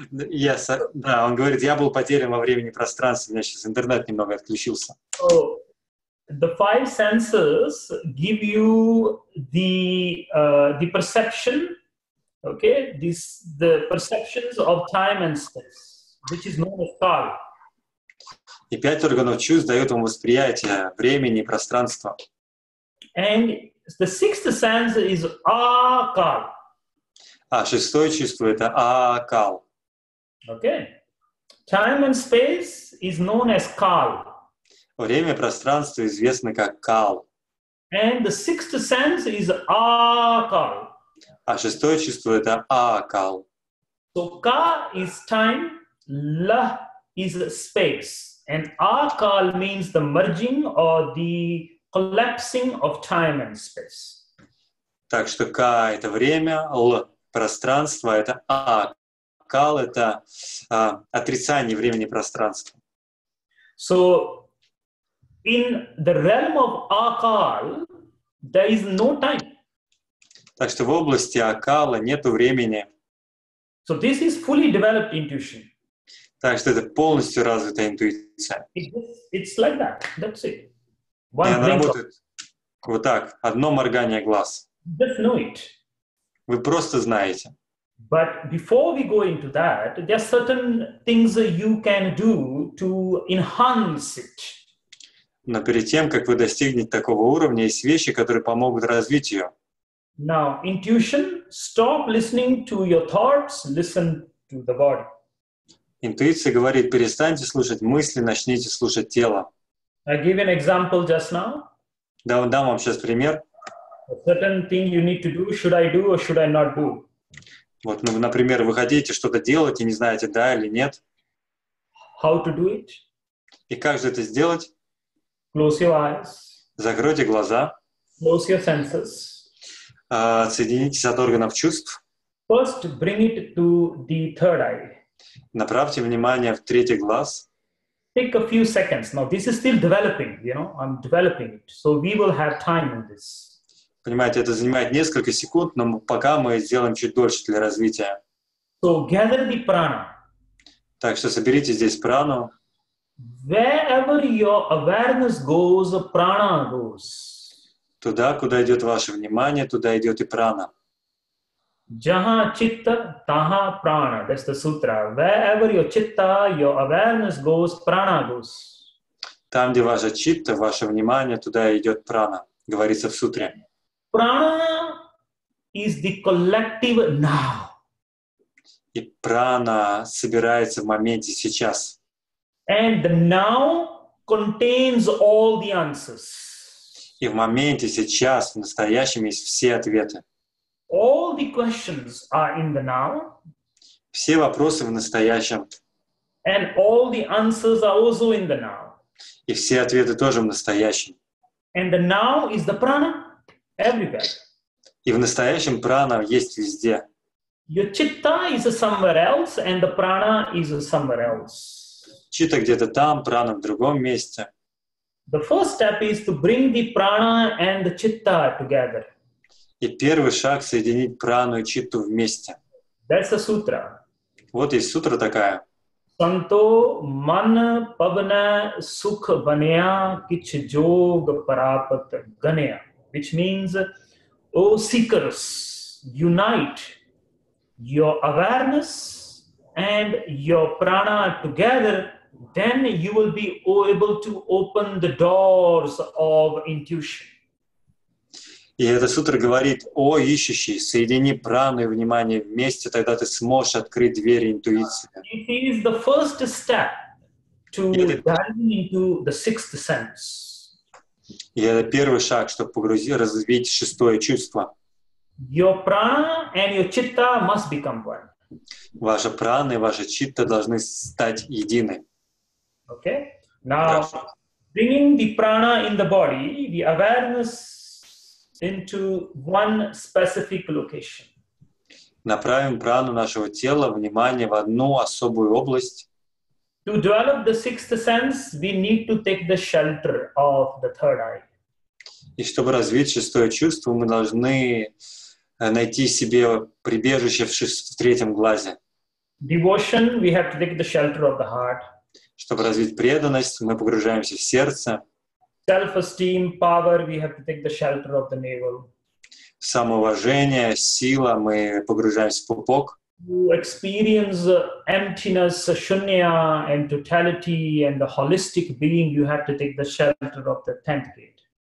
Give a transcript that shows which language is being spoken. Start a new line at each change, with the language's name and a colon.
Russian: Yes, да, он говорит, я был потерян во времени и пространстве, у меня сейчас интернет немного отключился.
English: So, the five senses give you the perception, okay, the perceptions of time and space, which is known as Kal.
Russian: И пять органов чувств дает вам восприятие времени и пространства.
English: And the sixth sense is Akal.
Russian: А шестое чувство это Akal.
English: Okay. Time and space is known as Kal.
Russian: Время и пространство известно как Kal.
English: And the sixth sense is Akal.
Russian: А шестое чувство это Akal.
English: So Ka is time, La is space, and Akal means the merging or the collapsing of time and space.
Russian: Так что Ка — это время, Л — пространство, это А. Кал — это отрицание времени и пространства.
English: So, in the realm of Акал, there is no time.
Russian: Так что в области Акала нет времени.
English: So this is fully developed intuition.
Russian: Так что это полностью развитая интуиция.
English: It's like that. That's it.
Russian: И она работает вот так, одно моргание глаз.
English: Just know it.
Russian: Вы просто знаете.
English: But before we go into that, there are certain things that you can do to enhance it.
Russian: Но перед тем, как вы достигнете такого уровня, есть вещи, которые помогут развить ее.
English: Now, intuition, stop listening to your thoughts, listen to the body.
Russian: Интуиция говорит, перестаньте слушать мысли, начните слушать тело.
English: I give an example just now.
Russian: Да, дам вам сейчас пример.
English: A certain thing you need to do, should I do or should I not do?
Russian: Вот, ну, например, вы хотите что-то делать и не знаете, да или нет.
English: How to do it?
Russian: И как же это сделать?
English: Close your eyes.
Russian: Закройте глаза.
English: Close your senses.
Russian: Соединитесь от органов чувств.
English: First, bring it to the third eye.
Russian: Направьте внимание в третий глаз.
English: Take a few seconds. Now, this is still developing, you know, I'm developing it. So we will have time on this.
Russian: Понимаете, это занимает несколько секунд, но пока мы сделаем чуть дольше для развития.
English: So gather the prana.
Russian: Так что соберите здесь прану.
English: Wherever your awareness goes, prana goes.
Russian: Туда, куда идет ваше внимание, туда идет и прана.
Hindi: Jaha chitta, taha prana.
English: That's the sutra. Wherever your chitta, your awareness goes, prana goes.
Russian: Там, где ваше читта, ваше внимание, туда идет прана, говорится в сутре.
English: Prana is the collective now.
Russian: И прана собирается в моменте сейчас.
English: And the now contains all the answers.
Russian: И в моменте сейчас, в настоящем, есть все ответы.
English: All the questions are in the now.
Russian: Все вопросы в настоящем.
English: And all the answers are also in the now.
Russian: И все ответы тоже в настоящем.
English: And the now is the prana. Everywhere.
Russian: И в настоящем прана есть везде.
English: Your chitta is somewhere else, and the prana is somewhere else.
Russian: Чита где-то там, прана в другом месте.
English: The first step is to bring the prana and the chitta together.
Russian: И первый шаг — соединить прану и читту вместе.
English: That's a sutra.
Russian: Вот есть сутра такая.
Hindi: Santo man pavana sukh vanya kich jog parapat ganya.
English: Which means, O seekers, unite your awareness and your prana together, then you will be able to open the doors of intuition.
Russian: И эта сутра говорит, о ищущий, соедини прану и внимание вместе, тогда ты сможешь открыть двери интуиции.
English: It is the first step to diving into the sixth sense.
Russian: И это первый шаг, чтобы погрузить, развить шестое чувство.
English: Your prana and your chitta must become one.
Russian: Ваша прана и ваша читта должны стать едины.
English: Okay. Now, bringing the prana in the body, the awareness into one specific location.
Russian: Направим прану нашего тела, внимание в одну особую область.
English: To develop the sixth sense, we need to take the shelter of the third eye.
Russian: И чтобы развить шестое чувство, мы должны найти себе прибежище в третьем глазе.
English: Devotion, we have to take the shelter of the heart.
Russian: Чтобы развить преданность, мы погружаемся в сердце.
English: Self-esteem, power, we have to take the shelter of the navel.
Russian: Самоуважение, сила, мы погружаемся в пупок.
English: To experience emptiness, shunya, and totality, and the holistic being, you have to take the shelter of the tenth gate.